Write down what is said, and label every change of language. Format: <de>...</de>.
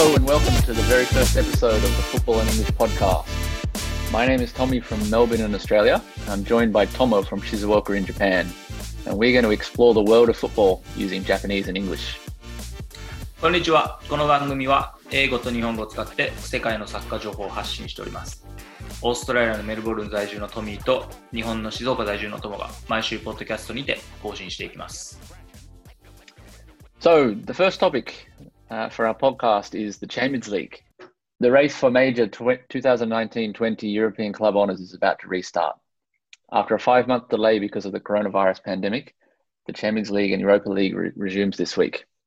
<en>welcome to the very first episode of the Football and English podcast. My name is Tommy from Melbourne in Australia. I'm joined by Tomo from Shizuoka in Japan. And we're going to explore the world of football using Japanese and English.</en> <ja>Konnichiwa. この番組は英語と日本語を使って世界のサッカー情報を発信しております。オーストラリアのメルボルン在住のトミーと日本の静岡在住のトモが毎週ポッドキャストにて更新していきます。</ja> <en>So, the first topic for our podcast is the Champions League. The race for major 2019-20 European club honours is about to restart. After a five-month delay because of the coronavirus pandemic, the Champions League and Europa League resumes this week.</en>